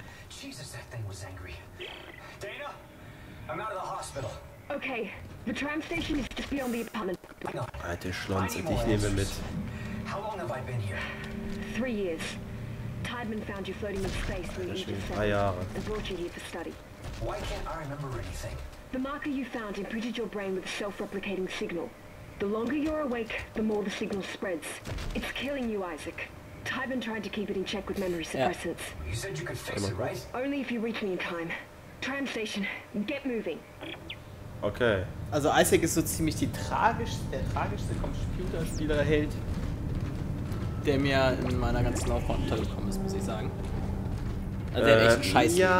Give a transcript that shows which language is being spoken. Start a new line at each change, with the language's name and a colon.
English: Jesus, that thing was angry. Dana, I'm out of the hospital. Okay, the tram station is just beyond the apartment.
German: Alte Schlonze, dich nehmen wir mit.
English: How long have I been here? Three years. Tideman found you floating in space when you just said and brought you here for study. Why can't I remember anything? The marker you found imprinted your brain with a self-replicating signal. The longer you're awake, the more the signal spreads. It's killing you, Isaac. Tyburn tried to keep it in check with memory suppressants. Yeah. You said you could fix it, right? Only if you reach me in time. Tram station, get moving. Okay.
German: Also Isaac ist so ziemlich die tragischste Computerspielerheld, der mir in meiner ganzen Laufbahn untergekommen ist, muss ich sagen. Also der hat echt einen Scheiß.